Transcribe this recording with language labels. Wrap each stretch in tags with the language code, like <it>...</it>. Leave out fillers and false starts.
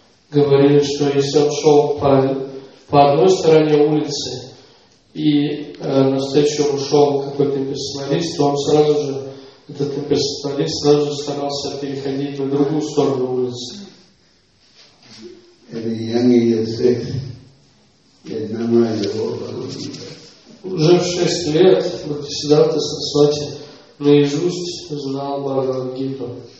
<ru>Говорили, что если он шел по одной стороне улицы и на встречу ушел какой-то имперсоналист, то он сразу же, этот имперсоналист сразу же старался переходить на другую сторону улицы.</ru> <en>And the young age of six, he had memorized the whole Bhagavad Gita.</en> <ru>Уже в 6 лет Бхактисиддханта Сарасвати наизусть знал Бхагавад-гиту.</ru>